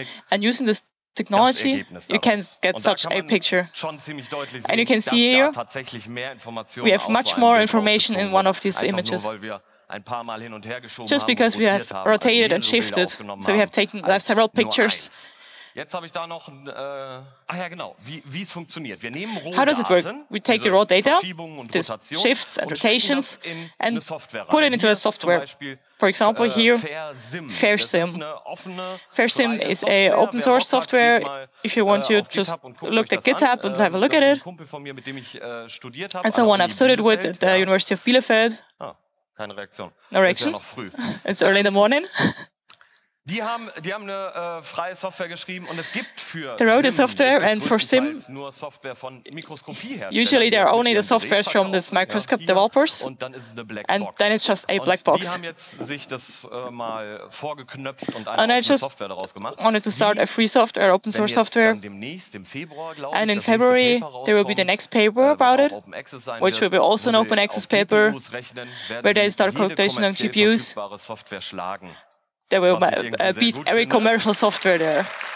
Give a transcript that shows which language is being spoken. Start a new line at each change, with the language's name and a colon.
English: And using this technology, you can get such a picture. And you can see here, we have much more information in one of these images.
German: Ein paar Mal hin und her geschoben
English: just because we have rotated and shifted, so we have taken several pictures.
German: Jetzt habe ich da noch ein, ah ja genau, wie es funktioniert. Wir nehmen
English: how does it work? We take the raw data, these shifts and rotations, and put it into a software. For example, here, FairSIM. FairSIM is an open source software. If you want to, just look at GitHub and have a look at it. And someone I've studied with at the University of Bielefeld.
German: Keine Reaktion.
English: No reaction.
German: Ist ja noch früh.
English: It's early in the morning.
German: Die haben eine freie Software geschrieben und es gibt für
English: they wrote a software and for SIM
German: nur Software von Mikroskopie her.
English: Usually there are only the softwares from these microscope developers
German: und dann ist es eine black
English: box. And then it's just a black box.
German: Die haben jetzt sich das mal vorgeknöpft und eine offene Software daraus gemacht.
English: Wanted to start a free software, open source software.
German: Demnächst, im Februar, glaube
English: and in February there will be the next paper about it, which will be also an open access paper, where they start calculation on GPUs.
German: Software schlagen.
English: That will beat every commercial software there.